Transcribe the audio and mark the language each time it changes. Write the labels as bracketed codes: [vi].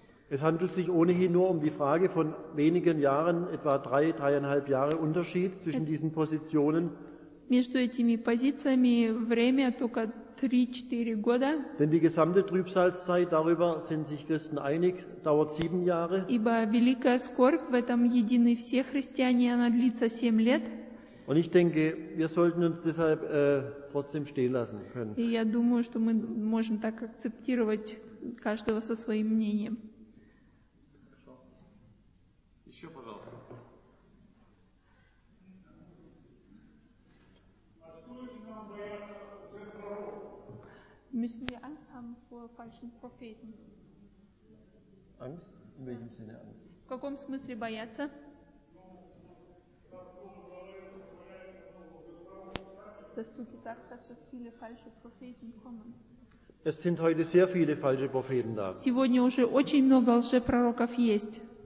[de] Es handelt sich ohnehin nur um die Frage von wenigen Jahren, etwa 3-3,5 Jahre Unterschied zwischen diesen Positionen. [ru] Между этими позициями время только 3-4 года. [de] Denn die gesamte Trübsalzeit, darüber sind sich Christen einig, dauert 7 Jahre. [ru] Ибо великая скорбь, в этом едины все христиане, она длится 7 лет. [de] Und ich denke, wir sollten uns deshalb trotzdem stehen lassen können. [ru] И я думаю, что мы можем так акцептировать каждого со своим мнением. Еще, пожалуйста. [de] Müssen wir Angst haben vor falschen Propheten? Angst? In welchem Sinne Angst? [ru] В каком смысле бояться? [de] Dass du gesagt hast, dass viele falsche Propheten kommen. Es sind heute sehr viele falsche Propheten da. [ru] Сегодня уже очень много лжепророков есть.